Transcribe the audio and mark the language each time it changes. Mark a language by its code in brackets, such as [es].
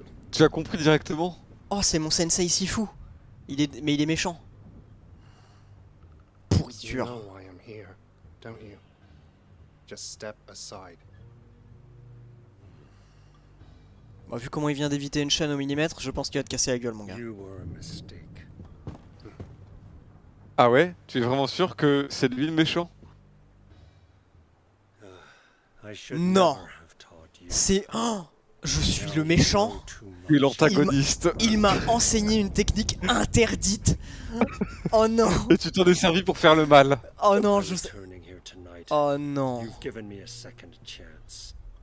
[fr] Tu as compris directement? Oh, c'est mon Sensei Sifu. Il est... Mais il est méchant. Pourriture. [en] You know why I'm here, don't you? Just step aside. [fr] Bon, vu comment il vient d'éviter une chaîne au millimètre, je pense qu'il va te casser la gueule, mon gars. [en] You were a mistake. [fr] Ah ouais? Tu es vraiment sûr que c'est lui le méchant? [en] I should non never have taught you. [fr] C'est... Oh, je suis le méchant. Et l'antagoniste. Il m'a enseigné une technique interdite. Oh non. Et tu t'en es servi pour faire le mal. Oh non, je... Oh non. [en] You've given me a second chance.